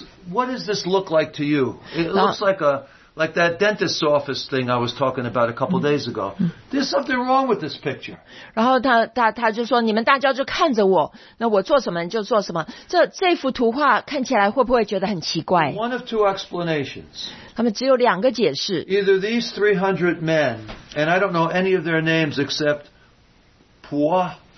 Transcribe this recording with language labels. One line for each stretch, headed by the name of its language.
English: What does this look like to you? It looks like that dentist's office thing I was talking about a couple days ago. There's something wrong with this picture.
Chinese: 然后他就说，你们大家就看着我，那我做什么就做什么。这幅图画看起来会不会觉得很奇怪？
English: One of two explanations.
Chinese: 他们只有两个解释。
English: Either these 300 men, and I don't know any of their names except Pula.